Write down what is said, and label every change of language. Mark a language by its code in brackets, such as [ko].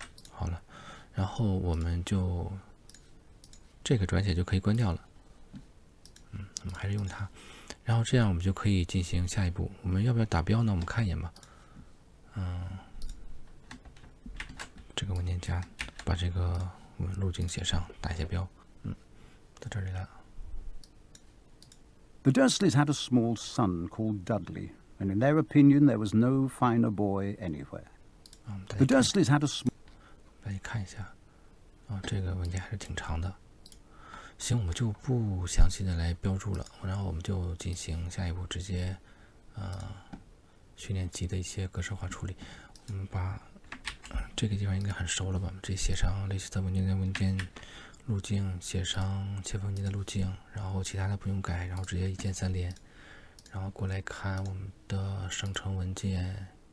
[zh] 好了，然后我们就这个转写就可以关掉了。我们还是用它，然后这样我们就可以进行下一步。我们要不要打标呢？我们看一眼吧。这个文件夹把这个我们路径写上，打一些标。到这里来了。 [en] The Dursleys had a small son called Dudley, and in their opinion, there was no finer boy anywhere. [zh] 大家 [en] The [zh] 看一下， [en] Dursleys had a small [zh] 大家看一下，这个文件还是挺长的。行，我们就不详细的来标注了，然后我们就进行下一步，直接训练集的一些格式化处理。我们把这个地方应该很熟了吧？我们直接写上 list 文件的文件路径，写上切分文件的路径，然后其他的不用改，然后直接一键三连，然后过来看我们的生成文件。